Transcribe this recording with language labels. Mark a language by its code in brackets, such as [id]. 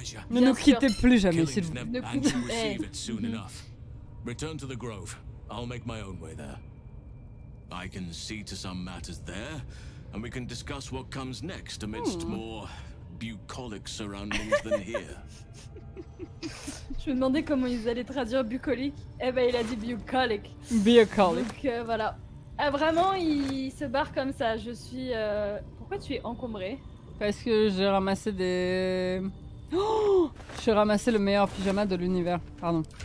[fr] Ne nous quittez plus jamais, s'il vous plaît. [en] Return to the grove. I'll make my own way there. I can see to some matters there, and we can discuss what comes next amidst more bucolic surroundings than here. [fr] Je me demandais comment ils allaient traduire bucolique. Eh ben, il a dit bucolic. Bucolic. Donc voilà. Ah vraiment, il se barre comme ça, je suis Pourquoi tu es encombré? Parce que j'ai ramassé des... Oh, j'ai ramassé le meilleur pyjama de l'univers, pardon.